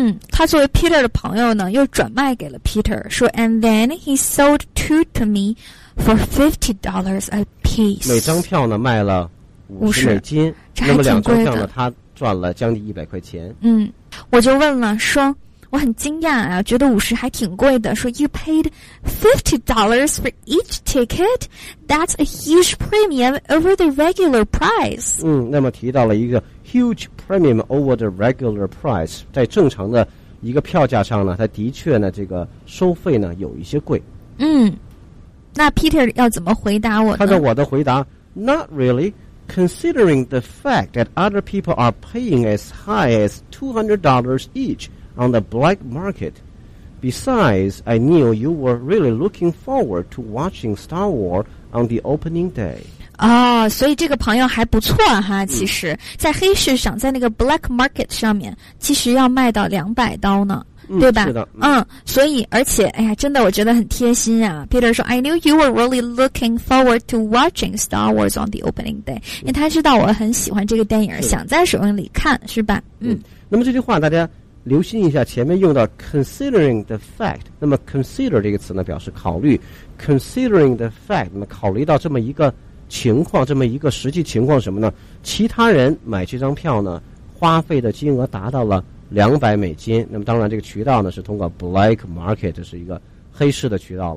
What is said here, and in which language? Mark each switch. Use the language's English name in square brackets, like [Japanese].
[Chinese] 他作为 Peter 的朋友呢又转卖给了 Peter， 说 [English] and then he sold two to memeFor $50 a piece， [Chinese] 每张票呢卖了$50，那么两张票呢他赚了将近$100。我就问了，说我很惊讶啊，觉得五十还挺贵的。 [English] 说 You paid $50 for each ticket, that's a huge premium over the regular price。 [Chinese] 那么提到了一个 [English] huge premium over the regular price， [Chinese] 在正常的一个票价上呢，它的确呢这个收费呢有一些贵。那 Peter 要怎么回答我呢？看看我的回答 ， [English] Not really. Considering the fact that other people are paying as high as $200 each on the black market. Besides, I knew you were really looking forward to watching Star Wars on the opening day. [Chinese] 哦，所以这个朋友还不错哈。其实，在黑市上，在那个 black market 上面，其实要卖到$200呢。对吧？所以而且哎呀真的我觉得很贴心啊。 [English] Peter 说 I knew you were really looking forward to watching Star Wars on the opening day. [Chinese] 因为他知道我很喜欢这个电影，想在首映里看是吧。那么这句话大家留心一下，前面用到 [English] considering the fact， [Chinese] 那么 consider 这个词呢表示考虑， considering the fact， 那么考虑到这么一个情况，这么一个实际情况什么呢，其他人买这张票呢花费的金额达到了$200，那么当然这个渠道呢是通过 black market， 这是一个黑市的渠道了，